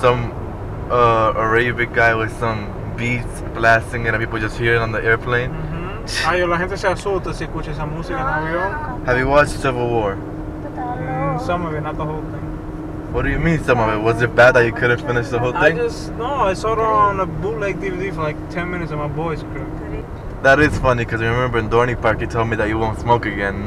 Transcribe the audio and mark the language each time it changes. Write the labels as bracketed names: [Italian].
[English] Some Arabic guy with some beats blasting and people just hear it on the airplane. [Spanish] Ay, la gente se asusta si escucha esa música en avión. [English] Have you watched Civil War? Some of it, not the whole thing. What do you mean some of it? Was it bad that you couldn't finish the whole thing? I saw it on a bootleg DVD for like 10 minutes in my boy's crib. That is funny because I remember in Dorney Park you told me that you won't smoke again.